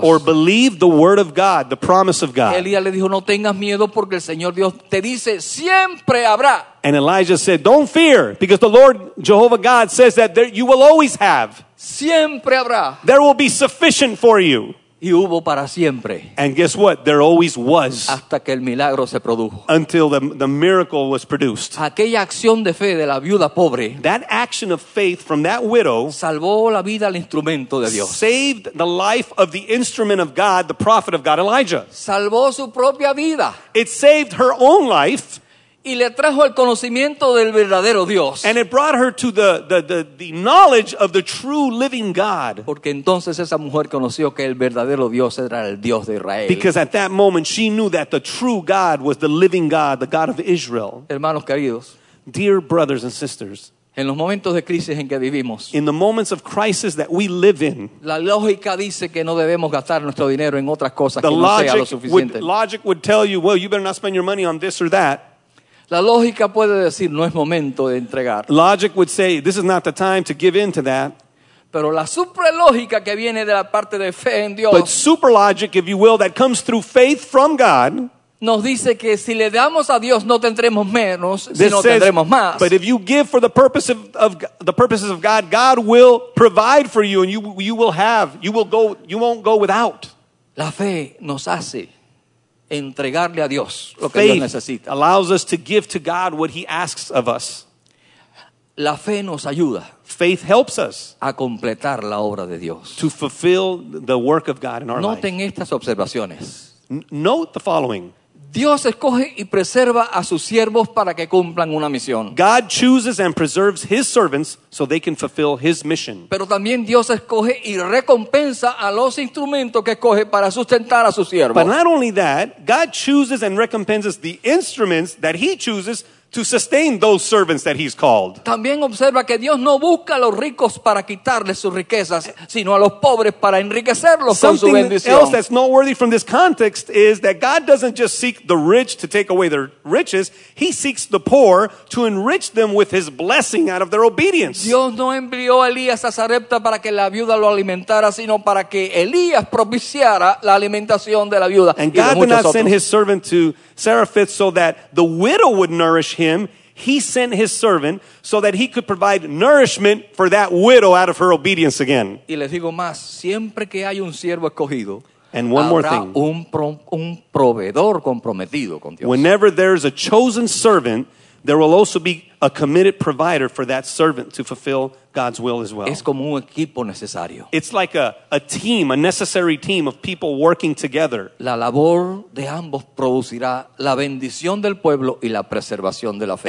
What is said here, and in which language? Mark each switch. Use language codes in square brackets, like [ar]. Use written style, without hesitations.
[en] Or believe the word of God, the promise of God. [es] Elías le dijo, no tengas miedo porque el Señor Dios te dice, siempre habrá. [en] And Elijah said, don't fear, because the Lord Jehovah God says that there, you will always have. [es] Siempre habrá. [en] There will be sufficient for you. [es] Y hubo para siempre. [en] And guess what? There always was. [es] Hasta que el milagro se produjo. [en] Until the miracle was produced. [es] Aquella acción de fe de la viuda pobre. [en] That action of faith from that widow. [es] Salvó la vida al instrumento de Dios. [en] Saved the life of the instrument of God, the prophet of God, Elijah. [es] Salvó su propia vida. [en] It saved her own life. [es] Y le trajo el conocimiento del verdadero Dios. [en] And it brought her to the knowledge of the true living God. [es] Porque entonces esa mujer conoció que el verdadero Dios era el Dios de Israel. [en] Because at that moment she knew that the true God was the living God, the God of Israel. [es] Hermanos queridos. [en] Dear brothers and sisters. [es] En los momentos de crisis en que vivimos. [en] In the moments of crisis that we live in. [es] La lógica dice que no debemos gastar nuestro dinero en otras cosas que no sea lo suficiente. [en] Logic would tell you, well, you better not spend your money on this or that. [es] La lógica puede decir, no es momento de entregar. [en] Logic would say, this is not the time to give in to that. [es] Pero la supralógica que viene de la parte de fe en Dios. [en] But super logic, if you will, that comes through faith from God. [es] Nos dice que si le damos a Dios, no tendremos menos, sino tendremos más. [en] But if you give for the purposes of God, God will provide for you and you won't go without. [es] La fe nos hace. Entregarle a Dios lo que Dios necesita. [en] Faith allows us to give to God what he asks of us. [es] La fe nos ayuda. [en] Faith helps us. [es] A completar la obra de Dios. [en] To fulfill the work of God in our [es] Noten [en] life. [es] Noten estas observaciones. [en] Note the following. [es] Dios escoge y preserva a sus siervos para que cumplan una misión. [en] God chooses and preserves his servants so they can fulfill his mission. [es] Pero también Dios escoge y recompensa a los instrumentos que escoge para sustentar a sus siervos. [en] But not only that, God chooses and recompenses the instruments that he chooses to sustain those servants that he's called. [es] También observa que Dios no busca a los ricos para quitarles sus riquezas, sino a los pobres para enriquecerlos con su bendición. [en] Something else that's noteworthy from this context is that God doesn't just seek the rich to take away their riches, he seeks the poor to enrich them with his blessing out of their obedience. [es] Dios no envió a Elías a Sarepta para que la viuda lo alimentara, sino para que Elías propiciara la alimentación de la viuda. [en] And God did not send his servant to Zarephath so that the widow would nourish him. He sent his servant so that he could provide nourishment for that widow out of her obedience again. [es] Y les digo más, siempre que hay un siervo escogido, [en] and one [es] habrá [en] more thing. [es] Un proveedor comprometido con Dios. [en] Whenever there's a chosen servant, there will also be a committed provider for that servant to fulfill God's will as well. [es] Es como un equipo necesario. [en] It's like a team, a necessary team of people working together. [es] La labor de ambos producirá la bendición del pueblo y la preservación de la fe.